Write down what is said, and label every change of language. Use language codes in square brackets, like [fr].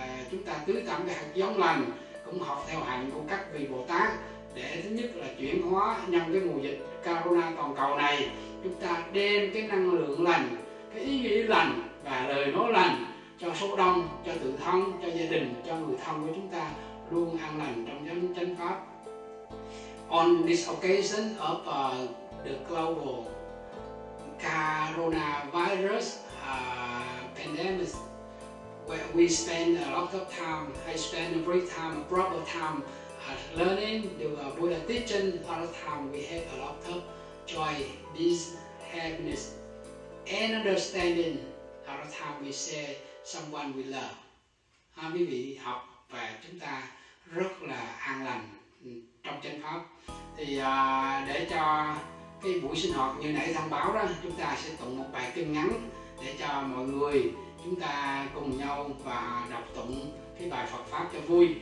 [vi] Chúng ta tưới tẩm cái hạt giống lành, cũng học theo hạnh của các vị Bồ Tát, để thứ nhất là chuyển hóa nhân cái mùa dịch corona toàn cầu này, chúng ta đem cái năng lượng lành, cái ý nghĩa lành và lời nói lành cho số đông, cho tự thân, cho gia đình, cho người thân của chúng ta luôn an lành trong chánh chánh pháp. [en] On this occasion of the global coronavirus pandemic, where we spend a lot of time, I spend every time, proper time learning the Buddha teaching, all the time we have a lot of joy, peace, happiness, and understanding. All the time we share someone we love. [vi] Ha, quý vị học và chúng ta rất là an lành trong chánh pháp. Thì để cho cái buổi sinh hoạt như nãy thông báo đó, chúng ta sẽ tụng một bài kinh ngắn để cho mọi người chúng ta cùng nhau và đọc tụng cái bài Phật Pháp cho vui.